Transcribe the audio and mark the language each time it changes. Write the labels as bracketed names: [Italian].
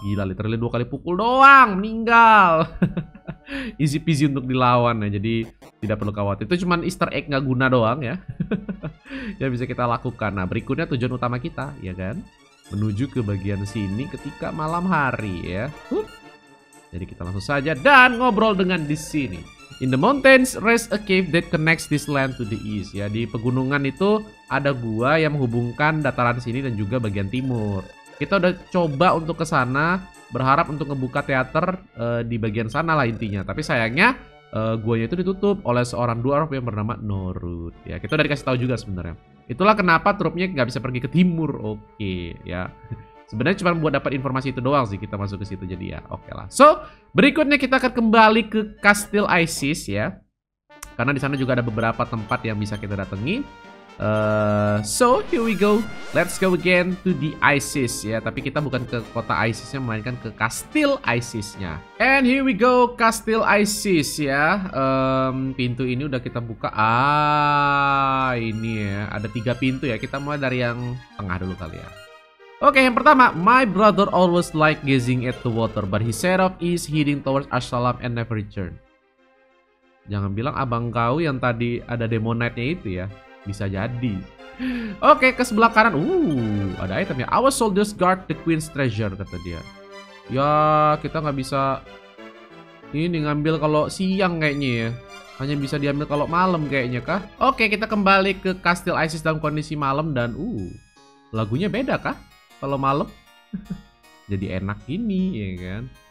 [Indonesian] Gila, literally 2 kali pukul doang meninggal. [English] Easy peasy [Indonesian] untuk dilawan ya. Jadi tidak perlu khawatir. Itu cuma easter egg nggak guna doang ya. Yang bisa kita lakukan. Nah, berikutnya tujuan utama kita, ya kan? Menuju ke bagian sini ketika malam hari ya. Jadi kita langsung saja dan ngobrol dengan di sini. [English] In the mountains, rest a cave that connects this land to the east. [Indonesian] Ya, di pegunungan itu ada gua yang menghubungkan dataran sini dan juga bagian timur. Kita udah coba untuk ke sana, berharap untuk ngebuka teater di bagian sana lah intinya. Tapi sayangnya, guanya itu ditutup oleh seorang dwarf yang bernama Norud. Ya, kita udah dikasih tahu juga sebenarnya. Itulah kenapa trupnya nggak bisa pergi ke timur. Oke, ya. Sebenarnya cuma buat dapat informasi itu doang sih kita masuk ke situ. Jadi ya, oke lah. So, berikutnya kita akan kembali ke Kastil Isis ya. Karena di sana juga ada beberapa tempat yang bisa kita datangi. [English] So, here we go. Let's go again to the Isis [Indonesian] ya. Tapi kita bukan ke kota Isisnya, melainkan ke Kastil Isisnya. [English] And here we go, [Indonesian] Kastil Isis ya. Pintu ini udah kita buka. Ah, ini ya. Ada 3 pintu ya. Kita mulai dari yang tengah dulu kali ya. [English] Okay, [Indonesian] yang pertama, [English] my brother always liked gazing at the water, but he set off is heading towards Ashalam and never return. [Indonesian] Jangan bilang abang kau yang tadi ada demonite-nya itu ya, bisa jadi. Okay, ke sebelah kanan, ada itemnya. [English] Our soldiers guard the queen's treasure, [Indonesian] kata dia. Ya, kita nggak bisa ini ngambil kalau siang kayaknya ya. Hanya bisa diambil kalau malam kayaknya kah? Okay, kita kembali ke Kastil Isis dalam kondisi malam dan lagunya beda kah? Kalau malam jadi enak ini, ya kan?